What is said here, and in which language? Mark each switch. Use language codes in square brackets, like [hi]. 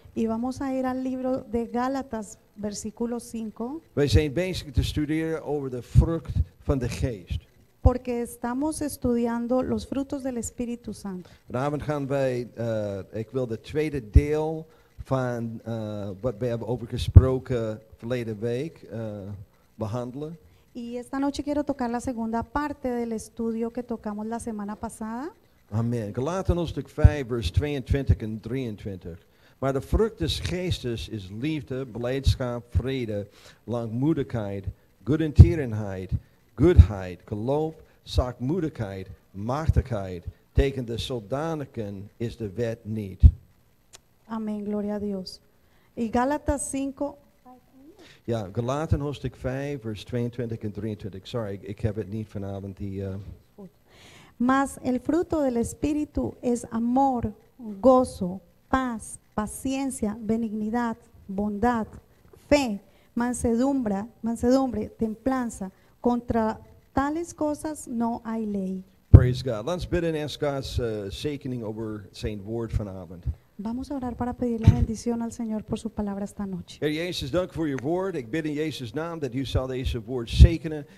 [es] Y vamos a ir al libro de Gálatas, versículo 5. [nl] We zijn bezig te studeren over de vrucht van de geest. [es] Porque estamos estudiando los frutos del Espíritu Santo. [nl] Vanavond gaan wij, ik wil de tweede deel van wat we hebben over gesproken verleden week behandelen. [es] Y esta noche quiero tocar la segunda parte del estudio que tocamos la semana pasada. Amen. [nl] Galaten hoofdstuk 5, vers 22 en 23. Maar de vrucht des geestes is liefde, blijdschap, vrede, langmoedigheid, goedertierenheid, goedheid, geloof, zachtmoedigheid, machtigheid. Tegen de zodanigen is de wet niet. [es] Amén, gloria a Dios. Y Gálatas 5. [nl] Ja, Galaten hoofdstuk 5, vers 22 en 23. Sorry, ik heb het niet vanavond. [es] Mas el fruto del Espíritu es amor, gozo, paz, paciencia, benignidad, bondad, fe, mansedumbre, templanza. Contra tales cosas no hay ley. [en] Praise God. Let's bid and ask God's shaking over Saint Word [nl] vanavond. [es] Vamos a orar para pedir la bendición al Señor por su palabra esta noche. [nl] Heer Jezus, dank voor uw woord. Ik bid in Jezus' naam dat u zal deze woord zegenen.